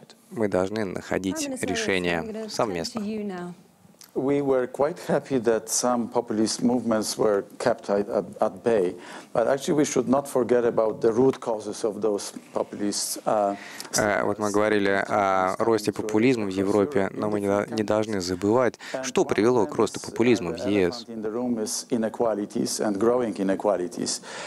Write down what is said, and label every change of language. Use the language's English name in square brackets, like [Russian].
[Russian] Мы должны находить решение совместно. [English] We were quite happy that some populist movements were kept at bay, but actually we should not forget about the root causes of those populists. [Russian] Вот мы говорили о росте популизма в Европе, но мы не должны забывать, что привело к росту популизма в ЕС. [English] In the room is inequalities and growing inequalities.